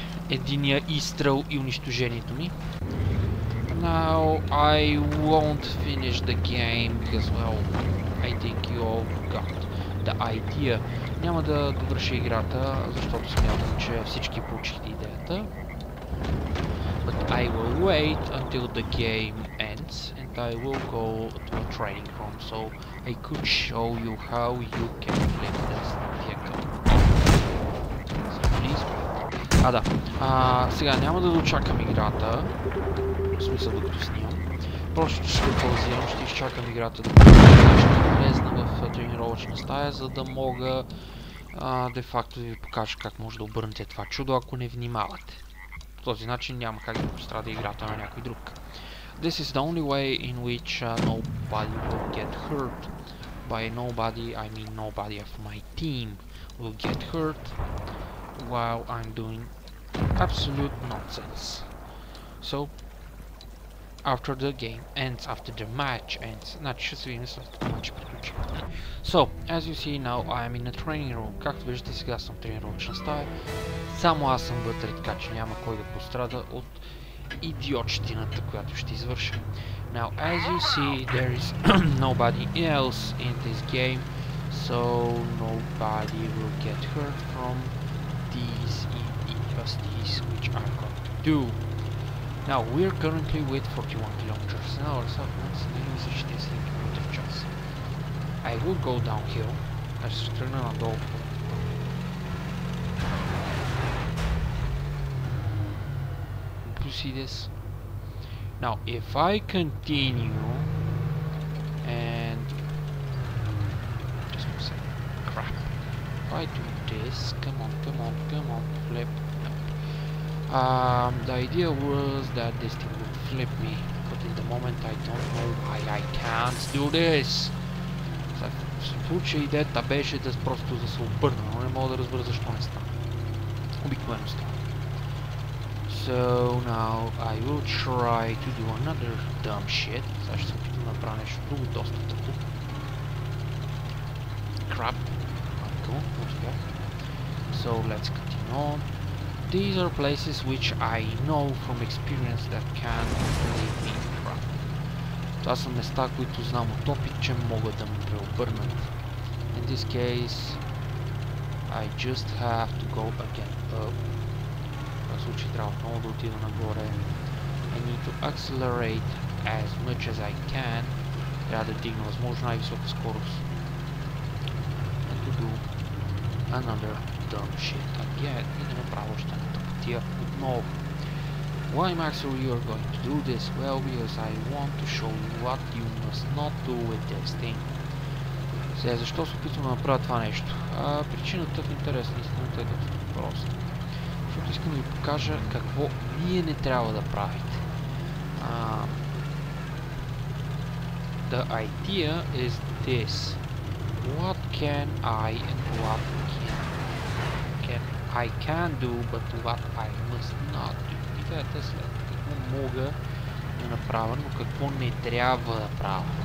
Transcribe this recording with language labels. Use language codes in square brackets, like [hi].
[bg] Единия изстрел и унищожението ми. [en] Now I won't finish the game because well, I think you all got the idea. [bg] Няма да довърша играта, защото смятам, че всички получихте идеята. [en] But I will wait until the game ends and I will go to a training room so I could show you how you can flip this vehicle. So please wait. [bg] А да, сега няма да дочакам играта, в смисъл докато снимам. Просто ще паузирам, ще изчакам играта да ще влезна в тренировъчна стая, за да мога де факто да ви покажа как може да обърнете това чудо, ако не внимавате. По този начин няма как да пострада играта на някой друг. [en] This is the only way in which nobody will get hurt. By nobody, I mean nobody of my team will get hurt while I'm doing absolute nonsense. So, after the game ends, after the match ends, [bg] значи ще се видим след мача приключи. [en] So, as you see now, I am in a training room. [bg] Както виждате, сега съм в тренировъчна стая. Само аз съм вътре, така че няма кой да пострада от идиотщината, която ще извърша. [en] Now, as you see, there is nobody else in this game, so nobody will get hurt from these injustices which I'm going to do. Now, we're currently with 41 kilometers an hour, so that's the use of 60 kilometers per hour. I will go downhill. I just turn on a door. See this? Now, if I continue and just one second, crap. If I do this, come on, flip. The idea was that this thing would flip me, but in the moment I don't know why I can't do this. [bg] В случай идеята беше да просто да се обърна, но не мога да разбера защо не стана. Обикновено става. [en] So now I will try to do another dumb shit. [bg] Сега ще се опитам да направя нещо друго, доста тъпо. [en] Crap. [bg] Майко, успях. [en] So let's continue on. These are places which I know from experience that can leave me crap. [bg] Това са места, които знам от опит, че могат да ме преобърнат. [en] In this case, I just have to go again up. [bg] В случай трябва отново да отида нагоре. [en] I need to accelerate as much as I can. [bg] Трябва да дигна възможно най-висока скорост. [en] And to do another dumb shit again. [bg] И да направя още една тъпотия отново. [en] Why, Maxwell, you are going to do this? Well, because I want to show you what you must not do with this thing. [bg] Сега, защо се опитвам да направя това нещо? Причината в интерес на истината е доста проста. Защото искам да ви покажа какво вие не трябва да правите. [en] The idea is this. What can I and what can I do, but what I must not do. [bg] Идеята е след какво мога да направя, но какво не трябва да правя.